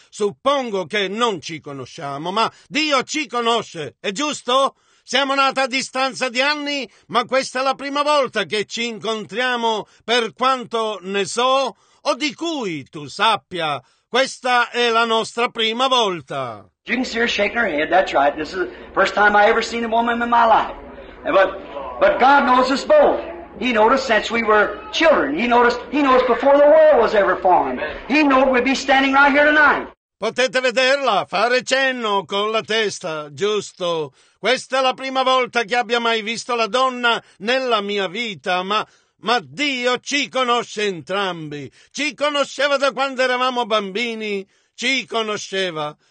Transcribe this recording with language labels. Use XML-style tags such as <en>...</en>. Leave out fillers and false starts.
<it>Suppongo che non ci conosciamo, ma Dio ci conosce, è giusto? Siamo nati a distanza di anni, ma questa è la prima volta che ci incontriamo, per quanto ne so, o di cui tu sappia. Questa è la nostra prima volta.</it> <en>You can see her shaking her head, that's right. This is the first time I ever seen a woman in my life. But God knows us both. He noticed since we were children. He noticed before the world was ever formed. He knew we'd be standing right here tonight.</en> <it>Potete vederla, fare cenno con la testa, giusto. Questa è la prima volta che abbia mai visto la donna nella mia vita, ma Dio ci conosce entrambi. Ci conosceva da quando eravamo bambini. Ci conosceva.</it>